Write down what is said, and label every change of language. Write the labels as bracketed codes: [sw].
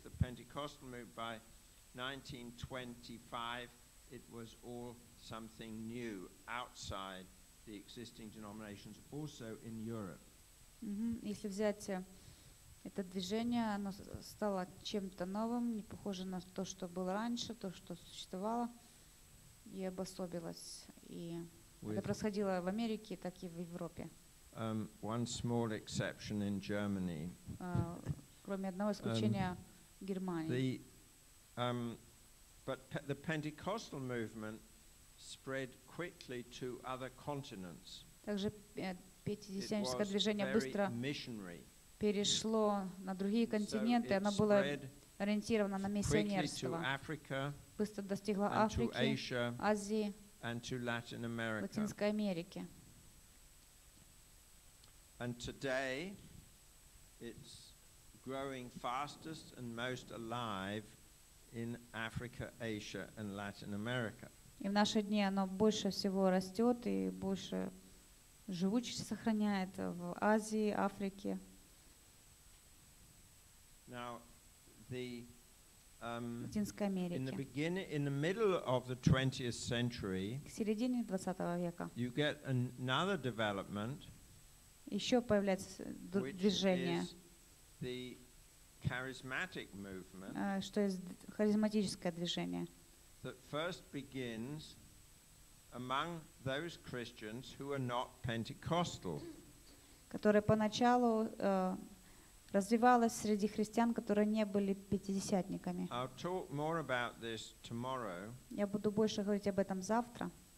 [en] The Pentecostal movement by 1925 it was all something new outside the existing denominations, also in Europe. [ru] Если взять это движение, оно стало чем-то новым, не похоже на то, что было раньше, то, что существовало, и обособилось. И это происходило в Америке, так и в Европе. [en] One small exception in Germany. [ru] Кроме одного исключения в Германии. [en] The Pentecostal movement spread quickly to other continents. [ru] Также пятидесятническое движение быстро [en] missionary. [ru] Перешло на другие континенты, [en] so [ru] оно было ориентировано на миссионерство. [en] Africa, [ru] быстро достигло Африки, [en] Asia, [ru] Азии, [en] Latin [ru] Латинской Америки. [en] And today it's growing fastest and most alive in Africa, Asia, and Latin America. [ru] И в наши дни оно больше всего растет и больше живучесть сохраняет в Азии, Африке. [en] Now, [ru] Латинской Америке. [en] In the middle of the 20th century, [ru] к середине 20 века, [en] you get another development, [ru] еще появляется движение, [en] the charismatic movement, [ru] что есть харизматическое движение, [en] that first begins among those Christians who are not Pentecostal, [ru] которое поначалу развивалось среди христиан, которые не были пятидесятниками. [en] I'll talk more about this tomorrow. [ru] Я буду больше говорить об этом завтра.